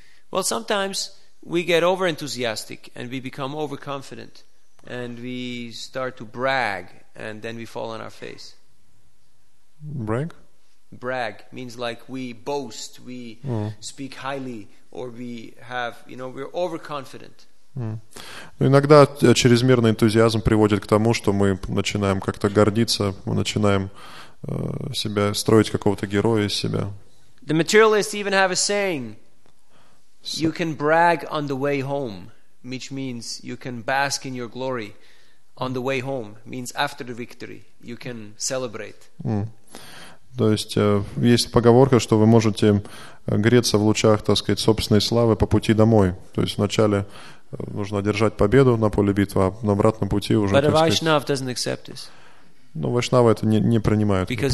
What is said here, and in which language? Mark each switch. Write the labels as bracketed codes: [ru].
[en] Well, sometimes we get over enthusiastic and we become overconfident and we start to brag and then we fall on our face. Brag? Brag means like we boast, we speak highly, or we have, you know, we're overconfident. [ru] Иногда чрезмерный энтузиазм приводит к тому, что мы начинаем как-то гордиться, мы начинаем себя строить какого-то героя из себя. [en] The materialists even have a saying: you can brag on the way home, which means you can bask in your glory on the way home, means after the victory you can celebrate. [ru] То есть есть поговорка, что вы можете греться в лучах, так сказать, собственной славы по пути домой. То есть вначале нужно одержать победу на поле битвы, а на обратном пути уже, так сказать... Но Вайшнава это не принимает.